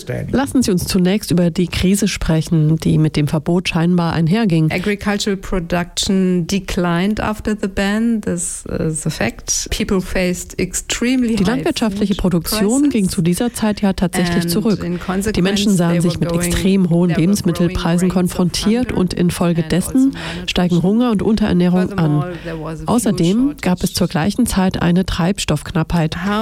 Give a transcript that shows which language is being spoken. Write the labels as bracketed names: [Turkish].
[German] Lassen Sie uns zunächst über die Krise sprechen, die mit dem Verbot scheinbar einherging. [English] Agricultural production declined after the ban. This is a fact. [German] Die landwirtschaftliche Produktion ging zu dieser Zeit ja tatsächlich zurück. Die Menschen sahen sich mit extrem hohen Lebensmittelpreisen konfrontiert und infolgedessen steigen Hunger und Unterernährung an. Außerdem gab es zur gleichen Zeit eine Treibstoffknappheit.